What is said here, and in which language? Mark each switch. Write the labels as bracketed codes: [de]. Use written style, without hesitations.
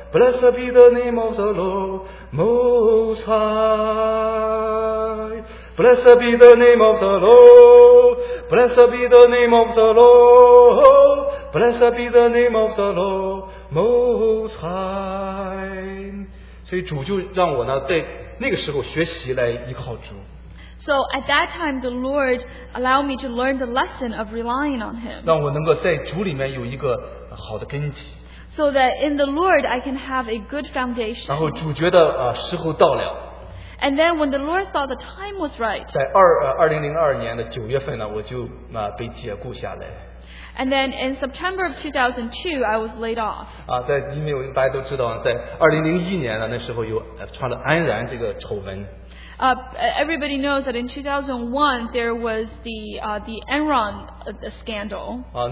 [en] Blessed be the name of the Lord Most High. Blessed be the name of the Lord. Blessed be the name of the Lord. Blessed be the name of the Lord Most High. [zh] 所以主就让我呢在那个时候学习来依靠主。 [en] So at that time, the Lord allowed me to learn the lesson of relying on Him. [zh] 让我能够在主里面有一个好的根基。 [en] So that in the Lord, I can have a good foundation. [zh] 然后主觉得时候到了。 [en] And then when the Lord thought the time was right. [zh] 在2002年的9月份呢，我就被解雇下来。 [en] And then in September of 2002, I was laid off. [zh] 啊，在因为大家都知道，在2001年的那时候有传了安然这个丑闻。 [en] Everybody knows that in 2001 there was the Enron scandal.